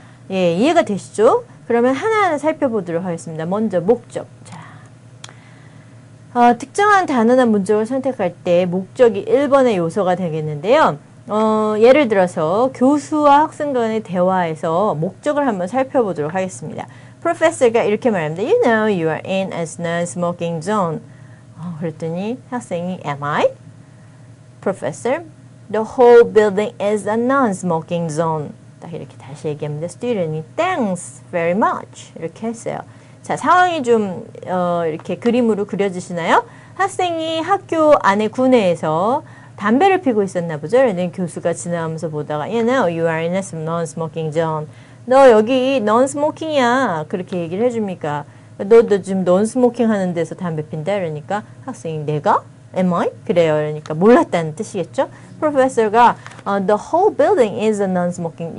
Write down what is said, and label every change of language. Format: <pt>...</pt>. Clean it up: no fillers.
<ko>예, 이해가 되시죠? 그러면 하나하나 살펴보도록 하겠습니다. 먼저 목적. 자, 특정한 단어나 문장을 선택할 때 목적이 1번의 요소가 되겠는데요. 예를 들어서 교수와 학생 간의 대화에서 목적을 한번 살펴보도록 하겠습니다. Professor가 이렇게 말합니다.</ko> <en>You know you are in a non-smoking zone.</en> <ko>그랬더니 학생이</ko> <en>Am I? Professor, the whole building is a non-smoking zone.</en> <ko>이렇게 다시 얘기합니다.</ko> <en>Student이 thanks very much</en> <ko>이렇게 했어요. 자, 상황이 좀 이렇게 그림으로 그려지시나요? 학생이 학교 안에 구내에서 담배를 피고 있었나 보죠. 그런데 교수가 지나가면서 보다가</ko> <en>You know, you are in a non-smoking zone.</en> <ko>너 여기 non-smoking이야 그렇게 얘기를 해줍니까? 너 지금 non-smoking 하는 데서 담배 핀다 이러니까 학생이 내가?</ko> <en>Am I?</en> <ko>그래요. 그러니까 몰랐다는 뜻이겠죠.</ko> <en>Professor가 the whole building is a non-smoking.</en>